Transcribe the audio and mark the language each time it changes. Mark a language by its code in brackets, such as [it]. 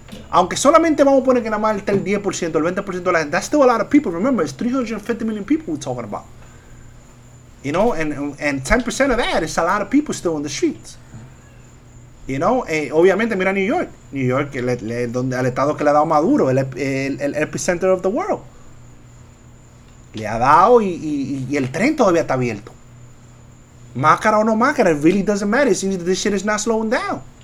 [es] Aunque solamente vamos a poner que nada más está el 10%, el 20% de la gente. [en] That's still a lot of people. Remember, it's 350 million people we're talking about. You know, and 10% of that is a lot of people still on the streets. You know, [es] obviamente mira New York. New York, donde el estado que le ha dado Maduro, el [en] epicenter of the world. [es] le ha dado y el tren todavía está abierto. Máscara o no máscara, [en] it really doesn't matter. It seems that this shit is not slowing down.